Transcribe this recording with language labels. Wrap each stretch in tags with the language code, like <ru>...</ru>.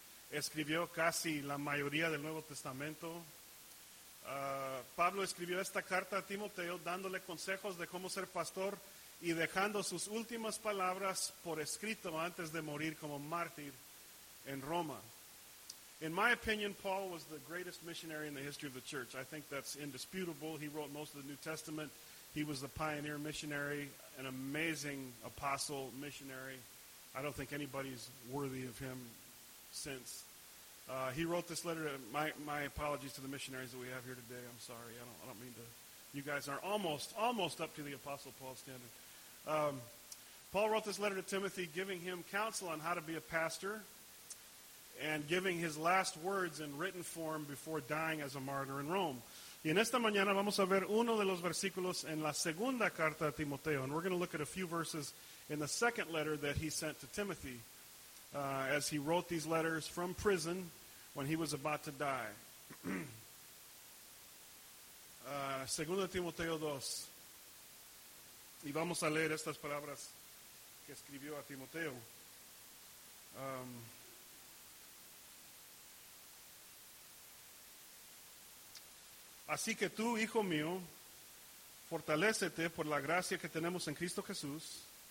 <es>Escribió casi la mayoría del Nuevo Testamento. Pablo escribió esta carta a Timoteo dándole consejos de cómo ser pastor y dejando sus últimas palabras por escrito antes de morir como mártir en Roma.</es> <en>In my opinion, Paul was the greatest missionary in the history of the church. I think that's indisputable. He wrote most of the New Testament. He was the pioneer missionary, an amazing apostle missionary. I don't think anybody's worthy of him since. He wrote this letter. My apologies to the missionaries that we have here today. I'm sorry. I don't mean to. You guys are almost up to the Apostle Paul standard. Paul wrote this letter to Timothy, giving him counsel on how to be a pastor, and giving his last words in written form before dying as a martyr in Rome.</en> <es>Y en esta mañana vamos a ver uno de los versículos en la segunda carta a Timoteo.</es> <en>And we're going to look at a few verses in the second letter that he sent to Timothy as he wrote these letters from prison when he was about to die.</en> <es>Segunda Timoteo 2. Y vamos a leer estas palabras que escribió a Timoteo. Así que tú, hijo mío, fortalécete por la gracia que tenemos en Cristo Jesús.</es>